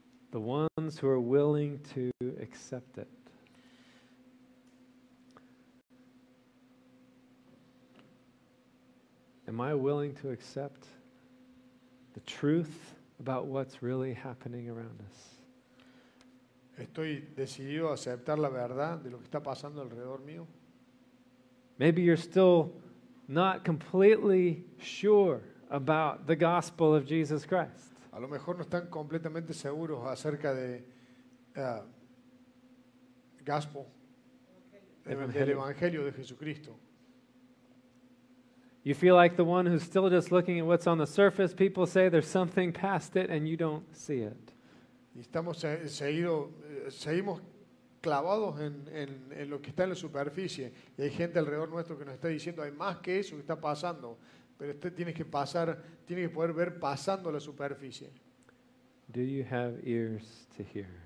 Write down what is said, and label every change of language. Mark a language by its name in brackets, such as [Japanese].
[English] The ones who are willing to accept it. Am I willing to accept the truth about what's really happening around us? [Spanish] Estoy decidido a aceptar la verdad de lo que está pasando alrededor mío. [English] Maybe you're still not completely sure about the gospel of Jesus Christ. [Spanish] A lo mejor no están completamente seguros acerca de gospel, del evangelio de Jesucristo. [English] You feel like the one who's still just looking at what's on the surface. People say there's something past it, and you don't see it. [Spanish] Seguimos clavados en lo que está en la superficie. Y hay gente alrededor nuestro que nos está diciendo hay más que eso que está pasando, pero usted tiene que poder ver pasando la superficie. [English] Do you have ears to hear?